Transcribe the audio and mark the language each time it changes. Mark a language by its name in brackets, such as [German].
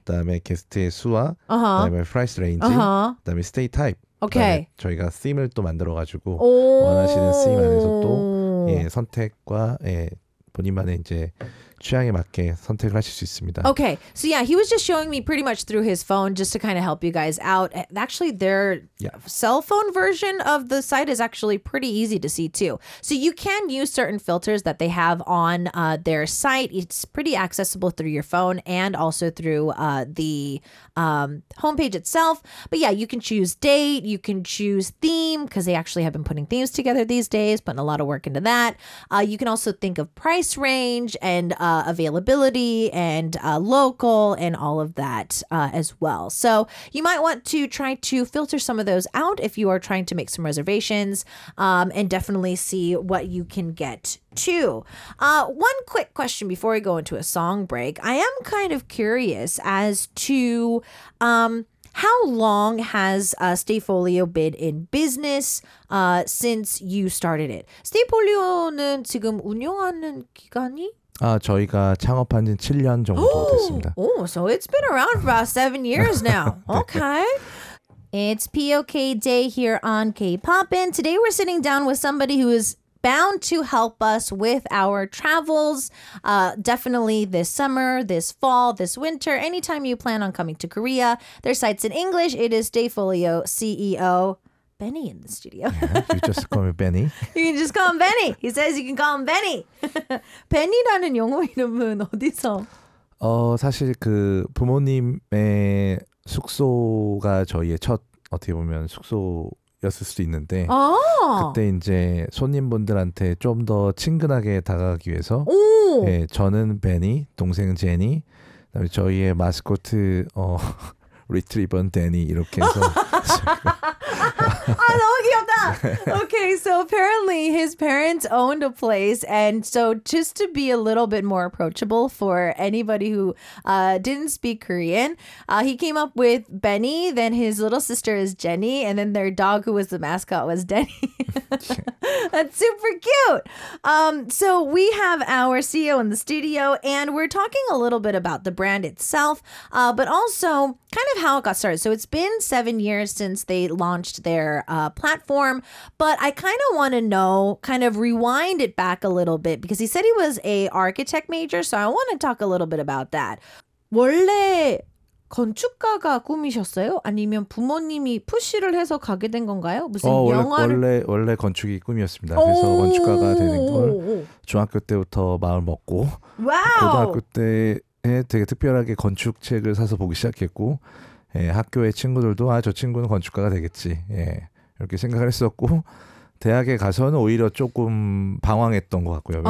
[Korean] 그다음에 게스트의 수와 uh-huh. 그다음에 프라이스 레인지 uh-huh. 그다음에 스테이 타입 오케이. 저희가 SIM을 또 만들어가지고 원하시는 SIM 안에서 또 예, 선택과 예, 본인만의 이제 취향에 맞게 선택을 하실 수 있습니다. [English] Okay, so yeah, he was just showing me pretty much through his phone just to kind of help you guys out. Actually, their cell phone version of the site is actually pretty easy to see too. So you can use certain filters that they have on their site. It's pretty accessible through your phone and also through the homepage itself. But yeah, you can choose date, you can choose theme because they actually have been putting themes together these days, putting a lot of work into that. You can also think of price range and availability and local and all of that as well. So you might want to try to filter some of those out if you are trying to make some reservations and definitely see what you can get too. One quick question before we go into a song break. I am kind of curious as to how long has Stayfolio been in business since you started it? [Korean] Stayfolio는 지금 운영하는 기간이 아, 저희가 창업한 지 7년 정도 됐습니다. [English] Oh, so it's been around for about 7 years now. Okay. It's POK Day here on K-Pop. And today we're sitting down with somebody who is bound to help us with our travels. Definitely this summer, this fall, this winter. Anytime you plan on coming to Korea, their site's in English. It is Stayfolio CEO Benny in the studio. Yeah, you just call me Benny. You can just call him Benny. He says you can call him Benny. [Korean] Benny라는 영어 이름은 어디서? 사실 그 부모님의 숙소가 저희의 첫 어떻게 보면 숙소였을 수도 있는데 그때 이제 손님분들한테 좀 더 친근하게 다가가기 위해서 예, 저는 Benny, 동생 제니, 그다음에 저희의 마스코트 리트리버 데니 이렇게 해서 아, 너무 귀엽다. [English] Okay, so apparently his parents owned a place, and so just to be a little bit more approachable for anybody who didn't speak Korean, he came up with Benny, then his little sister is Jenny, and then their dog who was the mascot was Denny. That's super cute. So we have our CEO in the studio, and we're talking a little bit about the brand itself, but also kind of how it got started. So it's been 7 years since they launched their platform, but I kind of want to know, kind of rewind it back a little bit, because he said he was a architect major, so I want to talk a little bit about that. [Korean] 원래 건축가가 꿈이셨어요? 아니면 부모님이 푸시를 해서 가게 된 건가요? 무슨 원래 건축이 꿈이었습니다. 그래서 건축가가 되는 걸 중학교 때부터 마음 먹고 고등학교 때에 되게 특별하게 건축책을 사서 보기 시작했고 예, 학교의 친구들도 아, 저 친구는 건축가가 되겠지 예, 이렇게 생각을 했었고 대학에 가서는 오히려 조금 방황했던 것 같고요.